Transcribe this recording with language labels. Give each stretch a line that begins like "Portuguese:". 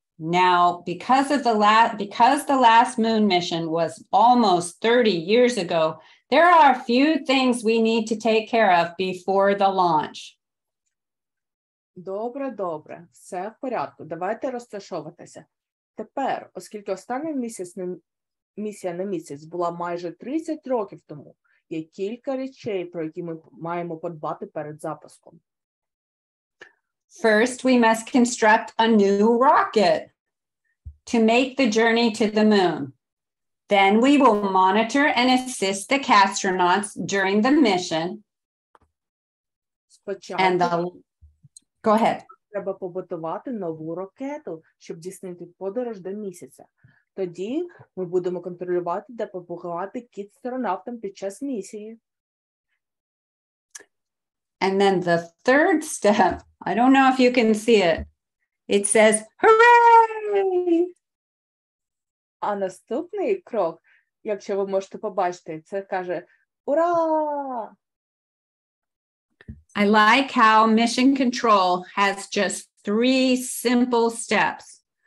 English: Now, because the last moon mission was almost 30 years ago, there are a few things we need to take care of before the launch.
Ukrainian: Добре, добре. Все в порядку. Давайте розташовуватися. Тепер, оскільки остання місія на місяць була майже 30 років тому, є кілька речей, про які ми маємо подбати перед запуском.
English: First, we must construct a new rocket to make the journey to the moon. Then we will monitor and assist the CatStronauts during the mission.
Ukrainian: Спочатку, and
English: go ahead.
Ukrainian: Треба побудувати нову ракету, щоб здійснити подорож до місяця. Тоді ми будемо контролювати та допомагати кіт-астронавтам під час місії.
English: And then the third step, I don't know if you can see it. It says, hooray!
Ukrainian: А наступний крок, якщо ви можете побачити, це каже, ура!
English: I like how Mission Control has just three simple steps.